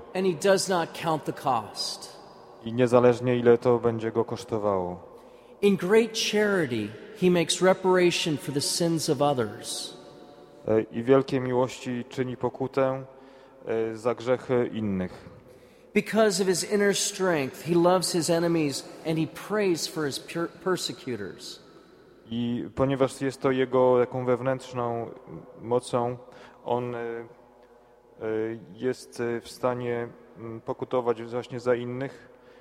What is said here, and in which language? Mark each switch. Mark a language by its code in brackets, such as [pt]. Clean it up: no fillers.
[en] And he does not count the cost. [pl] I niezależnie ile to będzie go kosztowało. [en] In great charity, he makes reparation for the sins of others. [pl] I wielkiej miłości czyni pokutę za grzechy innych. [en] Because of his inner strength, he loves his enemies and he prays for his persecutors. [pl] I ponieważ jest to jego taką wewnętrzną mocą, on jest w stanie pokutować właśnie za innych.